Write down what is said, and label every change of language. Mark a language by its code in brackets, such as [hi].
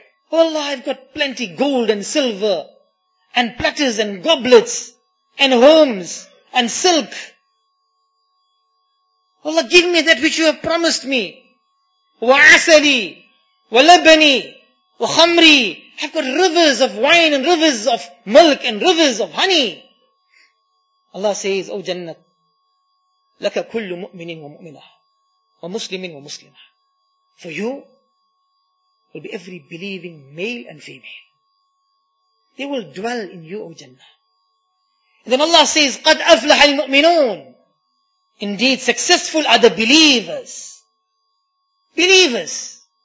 [en] Oh Allah, I've got plenty gold and silver and platters and goblets and homes and silk. Oh Allah, give me that which you have promised me. [ar] وَعَسَلِي وَلَبَنِي وَخَمْرِي. [en] I've got rivers of wine and rivers of milk and rivers of honey. Allah says, O Jannat, [ar] لَكَ كُلُّ مُؤْمِنٍ وَمُؤْمِنَةٍ وَمُسْلِمٍ وَمُسْلِمَةٍ. [en] For you will be every believing male and female. They will dwell in you, O Jannah. And then Allah says, [ar] قَدْ أَفْلَحَ الْمُؤْمِنُونَ. [en] Indeed, successful are the believers. Believers.